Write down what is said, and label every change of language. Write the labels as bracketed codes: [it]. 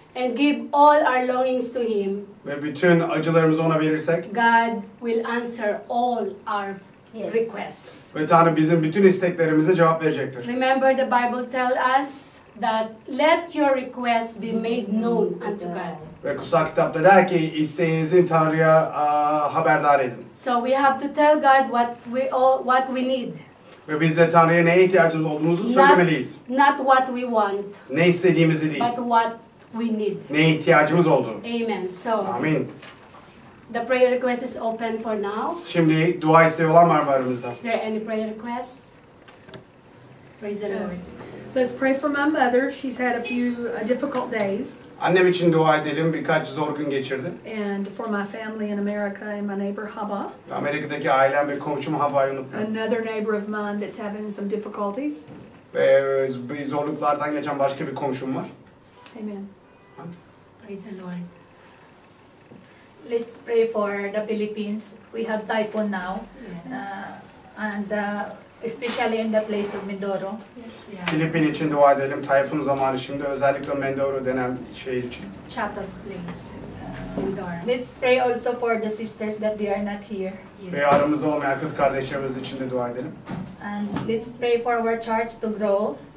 [en] And give all our longings to him. [tr] Ve bütün acılarımızı ona verirsek. [en] God will answer all our requests. [tr] Ve Tanrı bizim bütün isteklerimize cevap verecektir. [en] Remember the Bible tell us that let your requests be made known unto God. [tr] Ve kutsal kitapta der ki isteğinizin Tanrı'ya haberdar edin. [en] So we have to tell God what we need. [tr] Ve biz de Tanrı'ya ne ihtiyacımız olduğumuzu söylemeliyiz. [en] Not what we want. [tr] Ne istediğimizi değil. [en] But what we need. [tr] Ne ihtiyacımız olduğunu. [en] Amen. So. [tr] Amin. [en] The prayer request is open for now. [tr] Şimdi dua isteği olan var mı aramızda? [en] Is there any prayer requests? Praise the Lord. Let's pray for my mother. She's had a few difficult days. [tr] Annem için dua edelim. Birkaç zor gün geçirdi. [en] And for my family in America and my neighbor Haba. [tr] Amerika'daki ailem ve komşum Haba'yı unutmadım. [en] Another neighbor of mine that's having some difficulties. [tr] Ve zorluklardan geçen başka bir komşum var. [en] Amen. Praise the Lord. Let's pray for the Philippines. We have typhoon now. Yes. Especially in the place of Mindoro. [tr] Yeah. Filipin için dua edelim. Tayfun zamanı şimdi özellikle Mindoro denen şehir için. [en] Chatas place. Mindoro. Let's pray also for the sisters that they are not here. Yes. [tr] Ve aramızda olmayan kız kardeşlerimiz için de dua edelim. [en] And let's pray for our church to grow.